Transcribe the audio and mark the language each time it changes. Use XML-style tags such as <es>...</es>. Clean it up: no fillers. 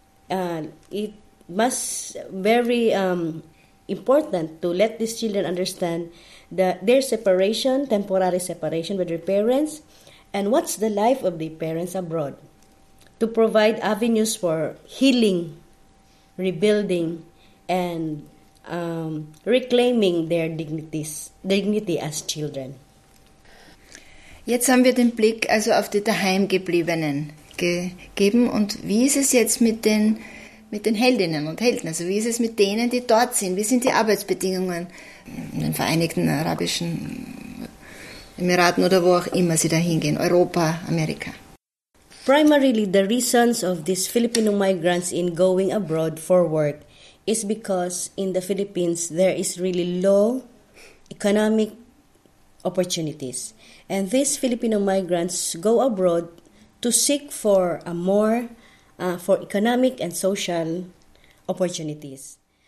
<en>It must very important to let these children understand that their separation, temporary separation with their parents, and what's the life of their parents abroad, to provide avenues for healing, rebuilding, and reclaiming their dignity as children.</en> <de>Jetzt haben wir den Blick also auf die Daheimgebliebenen gegeben. Und wie ist es jetzt mit den Heldinnen und Helden? Also wie ist es mit denen, die dort sind? Wie sind die Arbeitsbedingungen in den Vereinigten Arabischen Emiraten oder wo auch immer sie da hingehen? Europa, Amerika?</de> <en>Primarily the reasons of these Filipino migrants in going abroad for work is because in the Philippines there is really low economic opportunities. And these Filipino migrants go abroad to seek for a more for economic and social opportunities.</en>